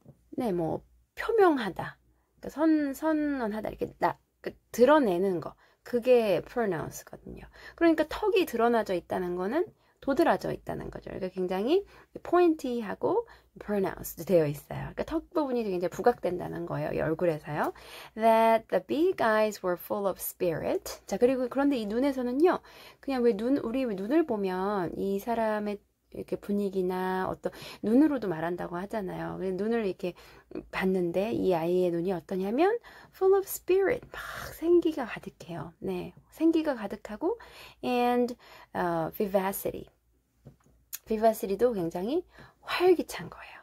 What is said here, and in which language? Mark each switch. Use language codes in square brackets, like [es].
[ko] 네, 뭐 표명하다. 그러니까 선언하다. 이렇게 드러내는 거. 그게 pronounce거든요. 그러니까 턱이 드러나져 있다는 거는 도드라져 있다는 거죠. 그러니까 굉장히 [en] pointy [ko] 하고 pronounced 되어 있어요. 그러니까 턱 부분이 굉장히 부각된다는 거예요. 얼굴에서요. [en] That the big eyes were full of spirit. [ko] 자, 그리고 그런데 이 눈에서는요. 그냥 왜 눈, 우리 눈을 보면 이 사람의 이렇게 분위기나 어떤 눈으로도 말한다고 하잖아요. 눈을 이렇게 봤는데 이 아이의 눈이 어떠냐면 [en] full of spirit, [ko] 막 생기가 가득해요. 네, 생기가 가득하고 [en] and vivacity, vivacity [ko] 도 굉장히 활기찬 거예요.